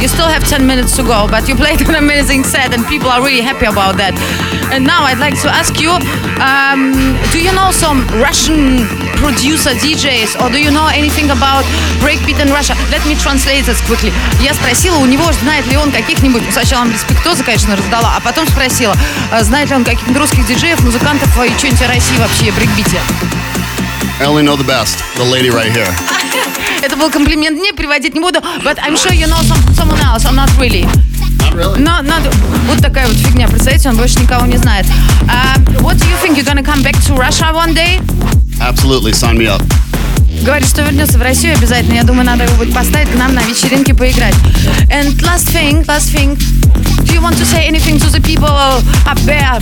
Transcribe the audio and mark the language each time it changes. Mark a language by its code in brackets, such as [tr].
[en] You still have 10 minutes to go, but you played an amazing set and people are really happy about that. And now I'd like to ask you, do you know some Russian producer DJs or do you know anything about breakbeat in Russia? Let me translate this quickly. [ru] Я спросила, у него знает ли он каких-нибудь, сначала респектоза, конечно, раздала, а потом спросила, знает ли он каких-нибудь русских диджеев, музыкантов и что-нибудь о России вообще о брейкбите? [en] I only know the best, the lady right here. [ru] Это был комплимент, не приводить не буду, [en] but I'm sure you know someone else, I'm not really. Not really. [ru] No, вот такая вот фигня, представляете, он больше никого не знает. [en] What do you think, you're gonna come back to Russia one day? Absolutely, sign me up. [ru] Говорит, что вернется в Россию обязательно, я думаю, надо его будет поставить к нам на вечеринке поиграть. [en] And last thing, do you want to say anything to the people up there?